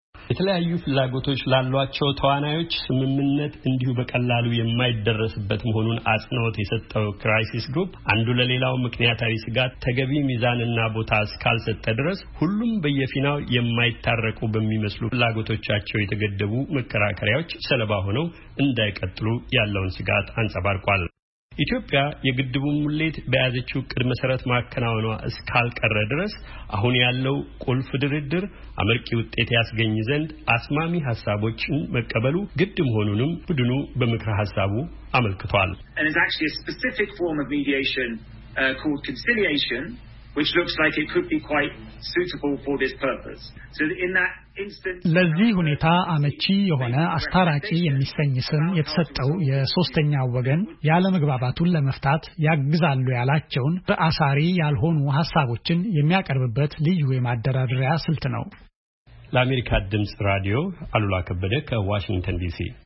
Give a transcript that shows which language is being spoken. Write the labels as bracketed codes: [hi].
[am] የተለያዩ ፍላጎቶች ላሏቸው ተዋናዮች ስምምነት እንዲሁ በቀላሉ የማይደረስበት መሆኑን አጽንኦት የሰጠው ክራይሲስ ግሩፕ አንዱ ለሌላው ምክንያታዊ ስጋት ተገቢ ሚዛንና ቦታ እስካልሰጠ ድረስ ሁሉም በየፊናው የማይታረቁ በሚመስሉ ፍላጎቶቻቸው የተገደቡ መከራከሪያዎች ሰለባ ሆነው እንዳይቀጥሉ ያለውን ስጋት አንጸባርቋል። ኢትዮጵያ የግድቡን ሙሌት በያዘችው ቅድመ ሰረት ማከናወኗ እስካልቀረ ድረስ አሁን ያለው ቁልፍ ድርድር አመርቂ ውጤት ያስገኝ ዘንድ አስማሚ ሐሳቦችን መቀበሉ ግድ መሆኑንም ቡድኑ በመከራ ሐሳቡ አመልክቷል። [en] And it's actually a specific form of mediation called conciliation which looks like it could be quite suitable for this purpose. So in that [am] ለዚህ ሁኔታ አመቺ የሆነ አስተራቂ የሚሰኝ ስም የተሰጠው የሶስተኛ ወገን ያለመግባባቱን ለመፍታት ያግዛሉ ያላቸውን በአሳሪ ያልሆኑ ሐሳቦችን የሚያቀርብበት ልዩ የማደራደሪያ ስልት ነው። ለአሜሪካ ድምጽ ራዲዮ አሉላ ከበደ ከዋሽንግተን ዲሲ።